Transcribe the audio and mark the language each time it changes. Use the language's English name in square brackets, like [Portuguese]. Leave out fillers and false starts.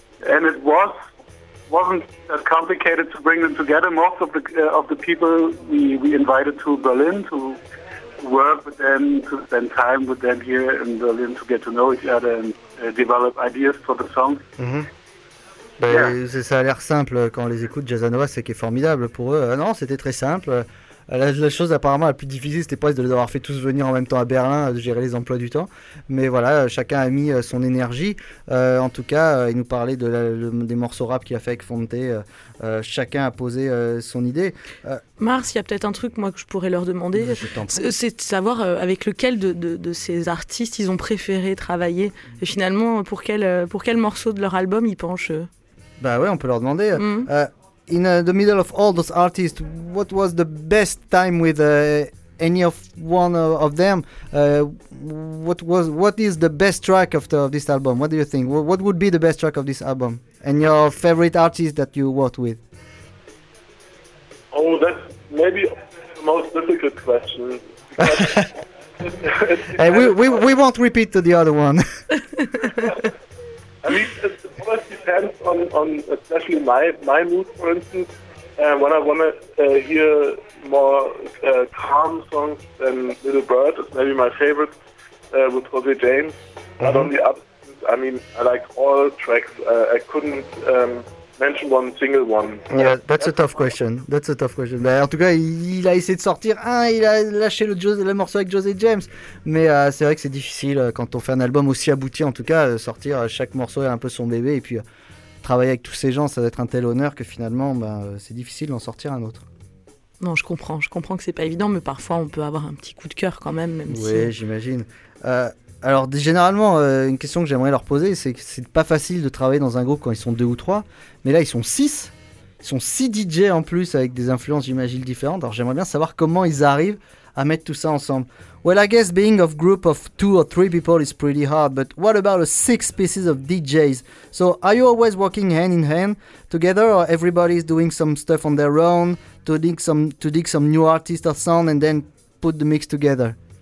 [English] And it wasn't that complicated to bring them together. Most of the people we invited to Berlin to work with them, to spend time with them here in Berlin, to get to know each other and develop ideas for the song. Mm-hmm. Ben, yeah. [French] C'est, ça a l'air simple quand on les écoute, Jazzanova, c'est qui est formidable pour eux. Non, c'était très simple. La chose apparemment la plus difficile, c'était presque de les avoir fait tous venir en même temps à Berlin, de gérer les emplois du temps. Mais voilà, chacun a mis son énergie. En tout cas, il nous parlait des morceaux rap qu'il a fait avec Fonte. Chacun a posé son idée. Mars, il y a peut-être un truc moi que je pourrais leur demander. C'est de savoir avec lequel de ces artistes ils ont préféré travailler. Et finalement, pour quel morceau de leur album ils penchent. Bah ouais, on peut leur demander. [English] In the middle of all those artists, what was the best time with any of one of them? What is the best track of this album? What do you think? What would be the best track of this album? And your favorite artist that you worked with? Oh, that's maybe the most difficult question. Hey, we won't repeat to the other one. I mean, it always depends on especially my mood, for instance. When I want to hear more calm songs, then Little Bird is maybe my favorite with Jose James. Mm-hmm. But on the other hand, I mean, I like all tracks. I couldn't mention one single one. Yeah, that's a tough question. [French] Mais en tout cas, il a essayé de sortir. Il a lâché le morceau avec José James. Mais c'est vrai que c'est difficile quand on fait un album aussi abouti, en tout cas, sortir chaque morceau est un peu son bébé. Et puis travailler avec tous ces gens, ça doit être un tel honneur que finalement, c'est difficile d'en sortir un autre. Non, je comprends. Je comprends que c'est pas évident, mais parfois on peut avoir un petit coup de cœur quand même. Même oui, si... j'imagine. Alors, généralement, une question que j'aimerais leur poser, c'est que c'est pas facile de travailler dans un groupe quand ils sont deux ou trois. Mais là, ils sont six. Ils sont six DJ en plus avec des influences, j'imagine, différentes. Alors, j'aimerais bien savoir comment ils arrivent à mettre tout ça ensemble. [English] Well, I guess being a group of two or three people is pretty hard. But what about a six pieces of DJs? So, are you always working hand in hand together, or everybody is doing some stuff on their own to dig some new artists or sound and then put the mix together?